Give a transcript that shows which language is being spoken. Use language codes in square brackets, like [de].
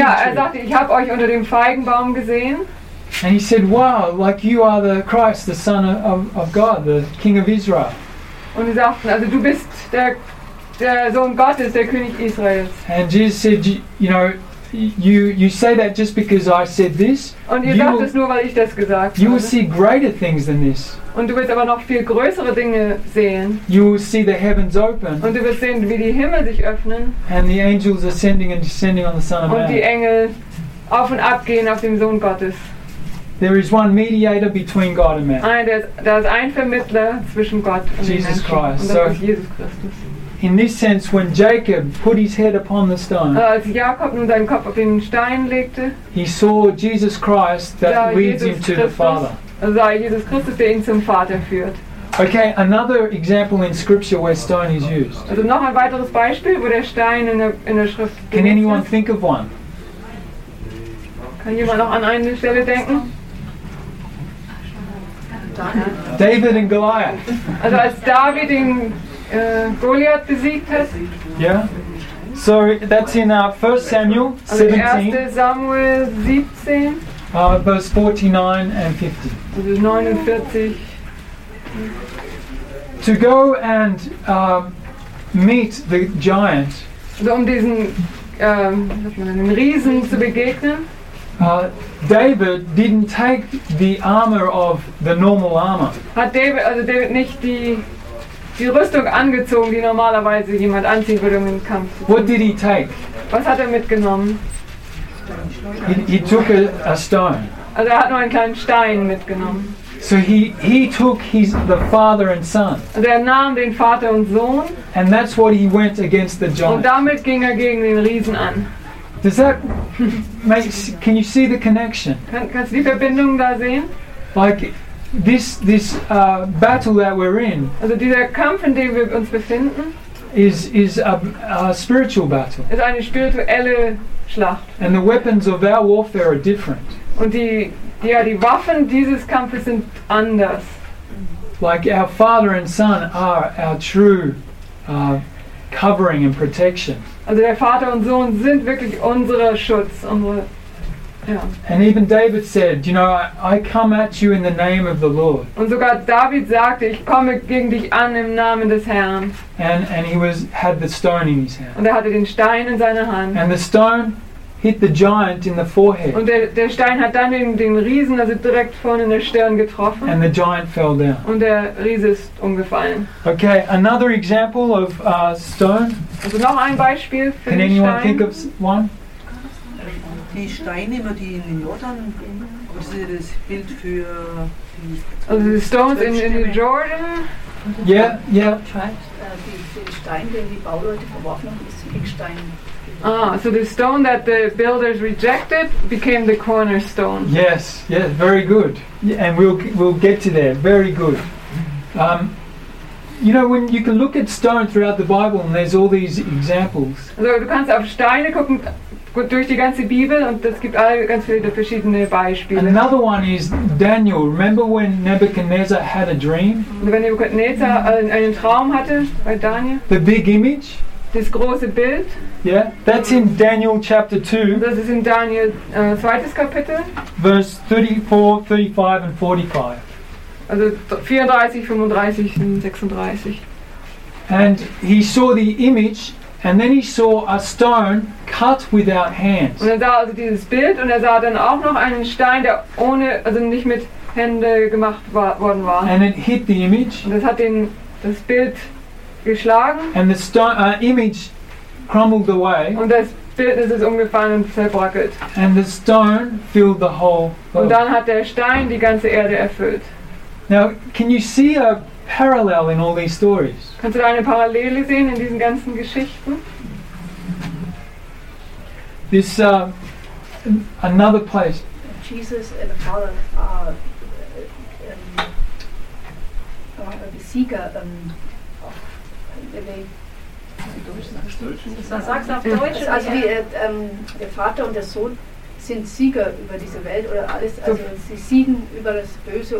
[de] Ja, er sagte, ich habe euch unter dem Feigenbaum gesehen. [en] And he said, wow, like you are the Christ, the Son of God, the King of Israel. [de] Und sie sagten, also du bist der Sohn Gottes, der König Israels. [en] And Jesus said, you know, You say that just because I said this. [de] Und ihr sagt es nur, weil ich das gesagt habe. [en] You will see greater things than this. [de] Und du wirst aber noch viel größere Dinge sehen. [en] You will see the heavens open. [de] Und du wirst sehen, wie die Himmel sich öffnen. [en] And the angels ascending and descending on the Son of Man. [de] Und die Engel auf und ab gehen auf dem Sohn Gottes. [en] There is one mediator between God and man. [de] Da ist ein Vermittler zwischen Gott und [en] Jesus Christ. [de] Und das ist Jesus Christus. [en] In this sense, when Jacob put his head upon the stone, [de] als Jakob nun seinen Kopf auf den Stein legte, [en] he saw Jesus Christ that [de] sah [en] leads Jesus him to [de] Christus, [en] the Father. [de] Sah Jesus Christus, der ihn zum Vater führt. [en] Okay, another example in Scripture where stone is used. [de] Also noch ein weiteres Beispiel, wo der Stein in der Schrift. [en] Can anyone think of one? [de] Kann jemand noch an eine Stelle denken? [en] David and Goliath. [de] Also als David den Goliath besiegt hat. [en] Yeah. So that's in 1 Samuel 17. [de] Also 1. Samuel 17. [en] Verse 49 and 50. [de] Also 49. [en] To go and meet the giant. [de] Also um diesen Riesen zu begegnen. [en] David didn't take the armor of the normal armor. [de] Hat David, also David nicht die Rüstung angezogen, die normalerweise jemand anziehen würde, um in den Kampf zu ziehen. [en] What did he take? [de] Was hat er mitgenommen? [en] He took a stone. [de] Also er hat nur einen kleinen Stein mitgenommen. [en] So he took his the father and son. [de] Also er nahm den Vater und Sohn. [en] And that's what he went against the giant. [de] Und damit ging er gegen den Riesen an. [en] Does that make? Can you see the connection? [de] Kannst du die Verbindung da sehen? [en] Like this battle that we're in. [de] Also dieser Kampf, in dem wir uns befinden, [en] is a spiritual battle. [de] Ist eine spirituelle Schlacht. [en] And the weapons of our warfare are different. [de] Und die Waffen dieses Kampfes sind anders. [en] Like our father and son are our true covering and protection. [de] Also der Vater und Sohn sind wirklich unser Schutz, unsere, ja. [en] And even David said, you know, I come at you in the name of the Lord. [de] Und sogar David sagte, ich komme gegen dich an im Namen des Herrn. [en] And he had the stone in his hand. [de] Und er hatte den Stein in seiner Hand. [en] And the stone hit the giant in the forehead. [de] Und der Stein hat dann den Riesen, also direkt vorne in der Stirn getroffen. [en] And the giant fell down. [de] Und der Riese ist umgefallen. [en] Okay, another example of stone. [de] Also noch ein Beispiel für [en] Can [de] den [en] anyone [de] Stein. [en] Think of one? [de] Die Steine, die in den Jordan, was ist das Bild für die [en] also the stones in the Jordan? Yeah, yeah. [de] Die Steine, den die Bauleute verworfen haben, ist die Ecksteine. [en] Ah, so the stone that the builders rejected became the cornerstone. Yes, yes, very good. And we'll get to there. Very good. You know, when you can look at stone throughout the Bible and there's all these examples. [de] Also, du kannst auf Steine gucken durch die ganze Bibel und es gibt alle ganz viele verschiedene Beispiele. [en] Another one is Daniel. Remember when Nebuchadnezzar had a dream? [de] Wenn Nebuchadnezzar einen Traum hatte bei Daniel? [en] The big image? [de] das große Bild. [en] Yeah, that's in Daniel chapter 2. [de] Das ist in Daniel zweites Kapitel. [en] Verse 34, 35 and 45. [de] Also 34, 35 und 36. [en] And he saw the image, and then he saw a stone cut without hands. [de] Und er sah also dieses Bild, und er sah dann auch noch einen Stein, der ohne, also nicht mit Hände gemacht worden war. [en] And it hit the image. [de] Und es hat den das Bild geschlagen. [en] And the stone image crumbled away. [de] Und das Bild ist umgefallen und zerbröckelt. [en] And the stone filled the whole. [de] Und dann hat der Stein die ganze Erde erfüllt. [en] Now, can you see a parallel in all these stories? [de] Kannst du da eine Parallele sehen in diesen ganzen Geschichten? [en] This another place. [de] Jesus and Paula, the Sieger, was sagst du auf Deutsch? Also wie der Vater und der Sohn sind Sieger über diese Welt oder alles, also so, sie siegen über das Böse